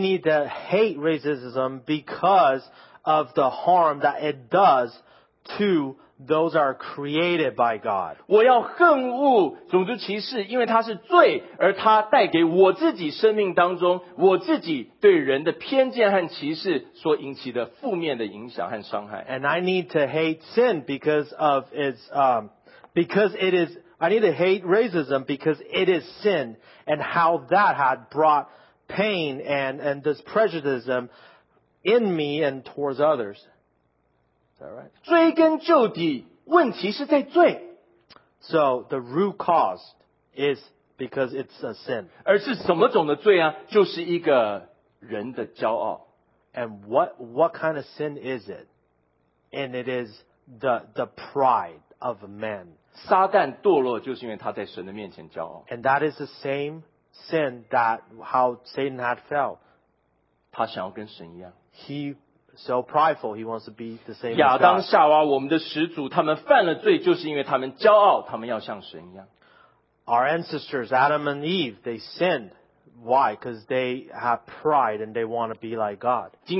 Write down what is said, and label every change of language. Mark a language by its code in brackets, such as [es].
[en] need to hate racism because of the harm that it does to those that are created by God. [zh] 我要恨恶种族歧视，因为它是罪，而它带给我自己生命当中我自己对人的偏见和歧视所引起的负面的影响和伤害。 [en] And I need to hate sin because of its, because it is, I need to hate racism because it is sin and how that had brought pain and this prejudice in me and towards others. Is that right? [zh] 追根究底，问题是在罪。 [en] So the root cause is because it's a sin. [zh] 而是什么种的罪啊?就是一个人的骄傲。 [en] And what kind of sin is it? And it is the pride of man. [zh] 撒旦堕落就是因为他在神的面前骄傲。 [en] And that is the same sin that how Satan had fell. [zh] 他想要跟神一样。 [en] He's so prideful, he wants to be the same as God. [zh] 亚当夏娃,我们的始祖,他们犯了罪,就是因为他们骄傲,他们要像神一样。 [en] Our ancestors, Adam and Eve, they sinned. Why? Because they have pride and they want to be like God.